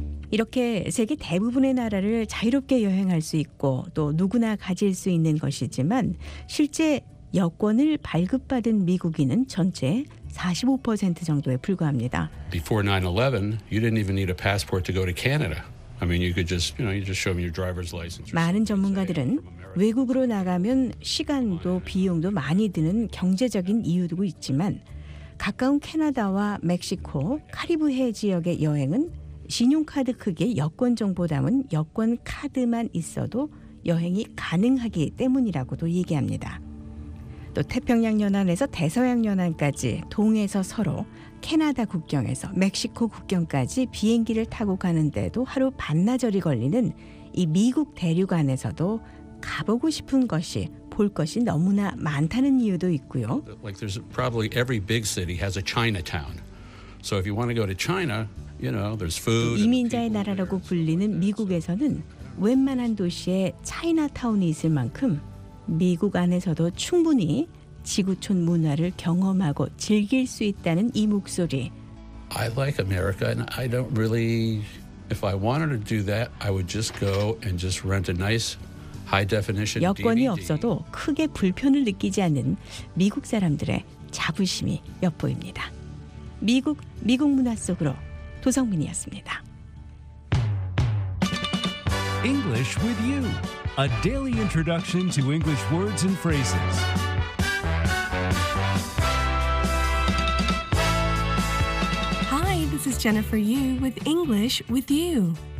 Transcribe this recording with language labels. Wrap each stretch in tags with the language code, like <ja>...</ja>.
<ko>이렇게 세계 대부분의 나라를 자유롭게 여행할 수 있고 또 누구나 가질 수 있는 것이지만 실제 여권을 발급받은 미국인은 전체 45% 정도에 불과합니다.</ko> <en>Before 9/11, you didn't even need a passport to go to Canada. I mean, you could just, you know, you just show them your driver's license.</en> <ko>많은 전문가들은 외국으로 나가면 시간도 비용도 많이 드는 경제적인 이유도 있지만 가까운 캐나다와 멕시코, 카리브해 지역의 여행은 신용카드 크기의 여권 정보 담은 여권 카드만 있어도 여행이 가능하기 때문이라고도 얘기합니다. 또 태평양 연안에서 대서양 연안까지 동에서 서로 캐나다 국경에서 멕시코 국경까지 비행기를 타고 가는데도 하루 반나절이 걸리는 이 미국 대륙 안에서도 가보고 싶은 것이 볼 것이 너무나 많다는 이유도 있고요.</ko> <en>Like there's probably every big city has a Chinatown. So if you want to go to China, you know, there's food.</en> <ko>이민자의 나라라고 불리는 미국에서는 웬만한 도시에 차이나타운이 있을 만큼 미국 안에서도 충분히 지구촌 문화를 경험하고 즐길 수 있다는 이 목소리.</ko> <en>I like America and I don't really if I wanted to do that, I would just go and just rent a nice high definition DVD.</en> <ko>여권이 없어도 크게 불편을 느끼지 않는 미국 사람들의 자부심이 엿보입니다. 미국 문화 속으로 도성민이었습니다.</ko> <en>English with you. A daily introduction to English words and phrases. Hi, this is Jennifer Yu with English with You.</en>